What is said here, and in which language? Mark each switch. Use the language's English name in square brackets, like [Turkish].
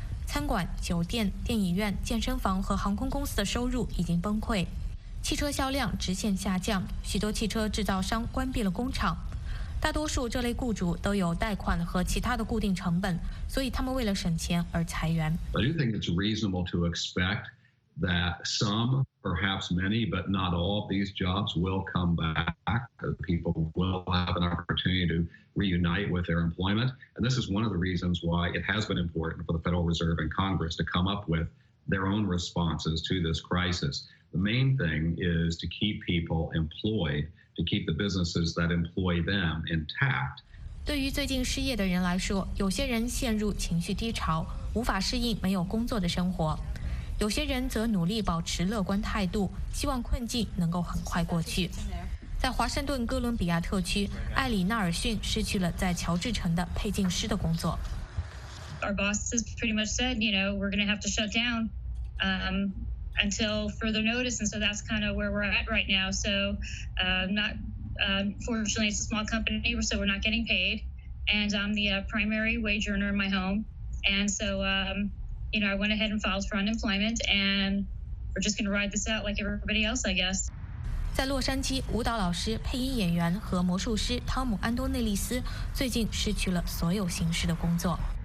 [Chinese] 餐馆、酒店、电影院、健身房和航空公司的收入已经崩溃，汽车销量直线下降，许多汽车制造商关闭了工厂。大多数这类雇主都有贷款和其他的固定成本，所以他们为了省钱而裁员。 [English] I do think it's reasonable to expect that some, perhaps many, but not all of these jobs will come back. People will have an opportunity to reunite with their employment. And this is one of the reasons why it has been important for the Federal Reserve and Congress to come up with their own responses to this crisis. The main thing is to keep people employed, to keep the businesses that employ them intact. [Chinese] 对于最近失业的人来说，有些人陷入情绪低潮，无法适应没有工作的生活，有些人则努力保持乐观态度，希望困境能够很快过去。在华盛顿哥伦比亚特区，艾里纳尔逊失去了在乔治城的配镜师的工作。 [English] Our boss has pretty much said, you know, we're going to have to shut down until further notice, and so that's kind of where we're at right now. So, fortunately, it's a small company, so we're not getting paid, and I'm the primary wage earner in my home, and so, you know, I went ahead and filed for unemployment, and we're just going to ride this out like everybody else, I guess. [Chinese] 在洛杉矶，舞蹈老师、配音演员和魔术师汤姆·安多内利斯最近失去了所有形式的工作。